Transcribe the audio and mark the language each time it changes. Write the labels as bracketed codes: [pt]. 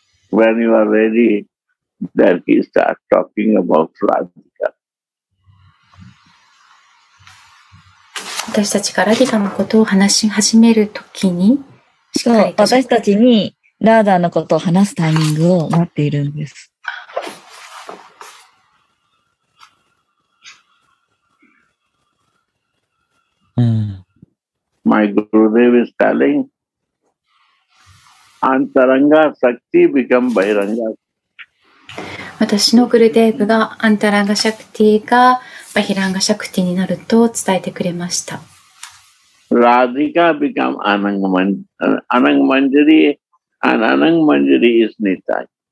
[en] When you are ready, then he starts talking about Radhika. [ja] 私たちがラディカのことを話し始めるときに、しかも私たちにラーダーのことを話すタイミングを待っているんです。 [en] My Gurudev is telling, Antaranga Shakti become Bahiranga. [ja] 私のグルデーブが、アンタランガシャクティがバヒランガシャクティになると伝えてくれました。 [en] Radhika become Anang Manjari and Anang Manjari is Nitai.